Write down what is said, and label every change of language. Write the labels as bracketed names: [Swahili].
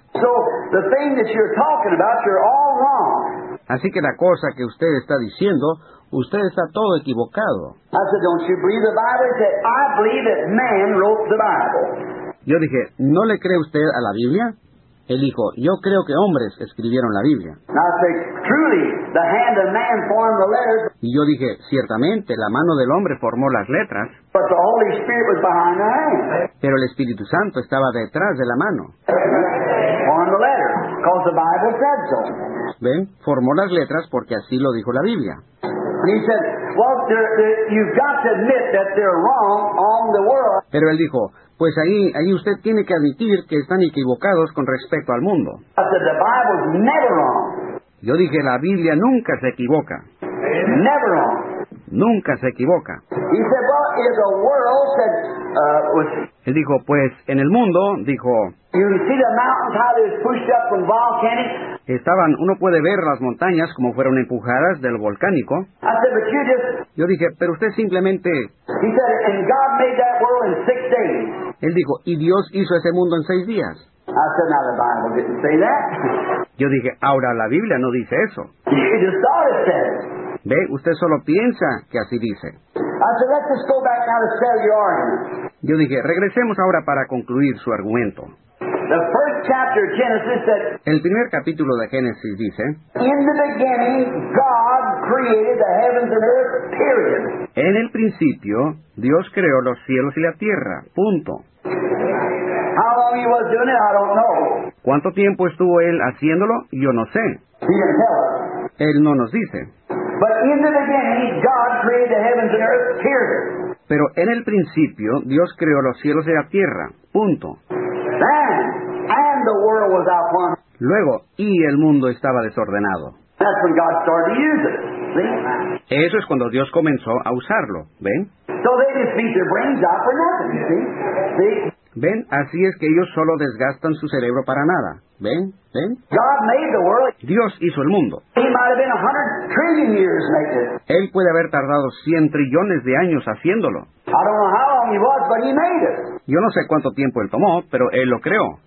[English] So, the thing that you're talking about, you're all wrong. [Spanish] Así que la cosa que usted está diciendo, usted está todo equivocado. [English] I said, don't you believe the Bible? He said, I believe that man wrote the Bible. [Spanish] Yo dije, ¿no le cree usted a la Biblia? Él dijo, yo creo que hombres escribieron la Biblia. [English] Now, I said, truly, the hand of man formed the letters. [Spanish] Y yo dije, ciertamente, la mano del hombre formó las letras. [English] But the Holy Spirit was behind the hand. [Spanish] Pero el Espíritu Santo estaba detrás de la mano. [English] Formed the letters, because the Bible said so. [Spanish] Ven, formó las letras porque así lo dijo la Biblia. [English] And he said, well, you've got to admit that they're wrong on the world. [Spanish] Pero él dijo, pues ahí usted tiene que admitir que están equivocados con respecto al mundo. [English] I said, the Bible's never wrong. [Spanish] Yo dije, la Biblia nunca se equivoca. [English] Never wrong. [Spanish] Nunca se equivoca. [English] He said, well, is a world that, was... [Spanish] Él dijo, pues en el mundo, dijo, [English] you see the mountains, how they're pushed up from volcanic? [Spanish] Estaban, uno puede ver las montañas como fueron empujadas del volcánico. [English] I said, but you just... [Spanish] Yo dije, pero usted simplemente... [English] He said, and God made that world in 6 days. [Spanish] Él dijo, y Dios hizo ese mundo en 6 días. [English] I said, now the Bible didn't say that. [Spanish] Yo dije, ahora la Biblia no dice eso. [English] You just thought it said. [Spanish] Ve, usted solo piensa que así dice. [English] I said, let's just go back now to sell your argument. [Spanish] Yo dije, regresemos ahora para concluir su argumento. [English] The first chapter of Genesis said, [Spanish] el primer capítulo de Génesis dice, [English] in the beginning, God created the heavens and earth, period. [Spanish] En el principio, Dios creó los cielos y la tierra, punto. [English] How long he was doing it, I don't know. [Spanish] ¿Cuánto tiempo estuvo él haciéndolo? Yo no sé. [English] He didn't tell us. [Spanish] Él no nos dice. [English] But in the beginning, God created the heavens and earth, period. [Spanish] Pero en el principio, Dios creó los cielos y la tierra, punto. [English] And the world was out of order. [Spanish] Luego, y el mundo estaba desordenado. [English] That's when God started to use it. See? [Spanish] Eso es cuando Dios comenzó a usarlo, ¿ven? [English] So they just beat their brains out for nothing, you see? See? [Spanish] ¿Ven? Así es que ellos solo desgastan su cerebro para nada. ¿Ven? ¿Ven? [English] God made the world. [Spanish] Dios hizo el mundo. [English] He might have been 100 trillion years making. [Spanish] Él puede haber tardado 100 trillones de años haciéndolo. [English] I don't know how long he was, but he made it. [Spanish] Yo no sé cuánto tiempo él tomó, pero él lo creó.